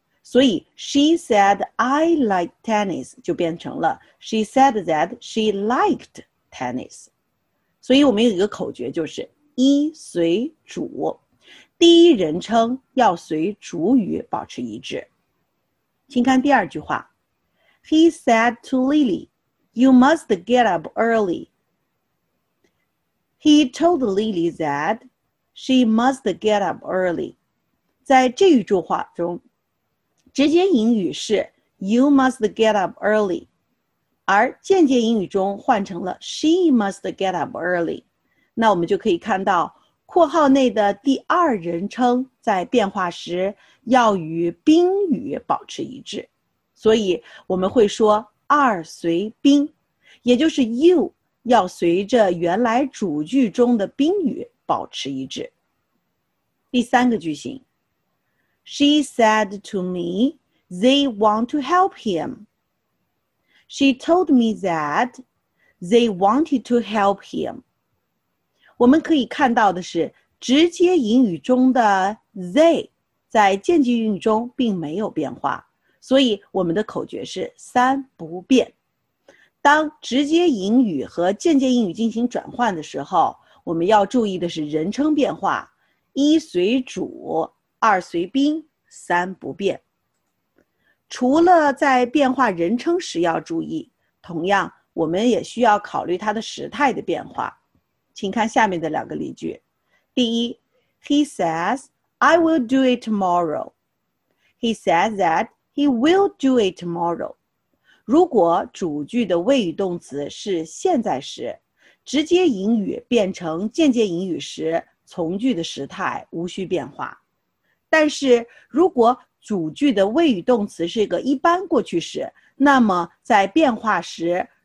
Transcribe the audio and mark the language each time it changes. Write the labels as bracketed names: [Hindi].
[Chinese] 所以 [English] she said I like tennis [Chinese] 就变成了 [English] she said that she liked tennis。 [Chinese] 所以我们有一个口诀，就是一随主，第一人称要随主语保持一致。请看第二句话， [English] He said to Lily, "You must get up early." He told Lily that she must get up early. [Chinese] 在这一句话中，直接引语是 [English] you must get up early， [Chinese] 而间接引语中换成了 [English] she must get up early。 [Chinese] 那我们就可以看到括号内的第二人称在变化时要与宾语保持一致，所以我们会说二随宾，也就是 you 要随着原来主句中的宾语保持一致。第三个句型， [English] She said to me, they want to help him. She told me that they wanted to help him. [Chinese] 我们可以看到的是，直接引语中的 they 在间接引语中并没有变化，所以我们的口诀是三不变。当直接引语和间接引语进行转换的时候，我们要注意的是人称变化，一随主，二随宾，三不变。除了在变化人称时要注意，同样我们也需要考虑它的时态的变化。请看下面的两个例句。第一， [English] He says, I will do it tomorrow. He said that he will do it tomorrow. [Chinese] 如果主句的谓语动词是现在时，直接引语变成间接引语时，从句的时态无需变化。但是如果主句的谓语动词是一个一般过去时，那么在变化时